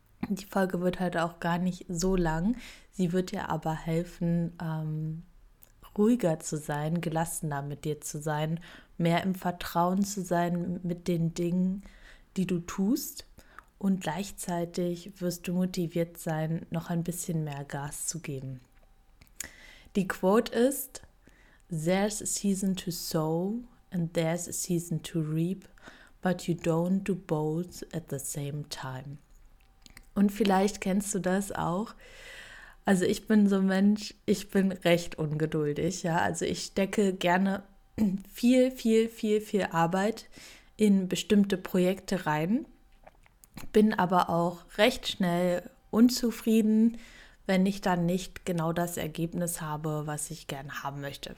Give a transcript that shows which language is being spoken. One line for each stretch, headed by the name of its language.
German: Die Folge wird heute auch gar nicht so lang. Sie wird dir aber helfen, ruhiger zu sein, gelassener mit dir zu sein, mehr im Vertrauen zu sein mit den Dingen, die du tust. Und gleichzeitig wirst du motiviert sein, noch ein bisschen mehr Gas zu geben. Die Quote ist,
English: "There's a season to sow and there's a season to reap, but you don't do both at the same time."
German: Und vielleicht kennst du das auch. Also ich bin so ein Mensch, ich bin recht ungeduldig. Ja, also ich stecke gerne viel Arbeit in bestimmte Projekte rein. Bin aber auch recht schnell unzufrieden, wenn ich dann nicht genau das Ergebnis habe, was ich gerne haben möchte.